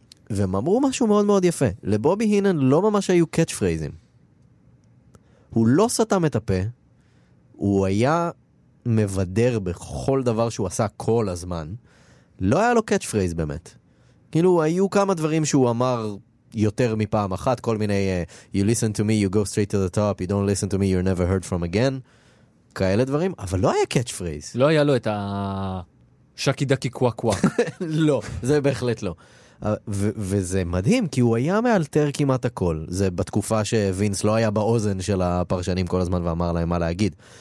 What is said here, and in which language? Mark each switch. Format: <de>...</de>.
<he>והם אמרו משהו מאוד מאוד יפה. לבובי הינן לא ממש היו קאץ' פרייזים. הוא לא סתם את הפה, הוא היה... מבדר בכל דבר שהוא עשה כל הזמן, לא היה לו קאץ' פרייז באמת. כאילו, היו כמה דברים שהוא אמר יותר מפעם אחת, כל מיני,</he> <en>you listen to me, you go straight to the top, you don't listen to me, you're never heard from again.</en> <he>כאלה דברים, אבל לא היה קאץ' פרייז. לא היה לו את השקי דקי קווק קווק. לא, זה בהחלט לא. וזה מדהים, כי הוא היה מאלתר כמעט הכל. זה בתקופה שווינס לא היה באוזן של הפרשנים כל הזמן ואמר להם מה להגיד.</he>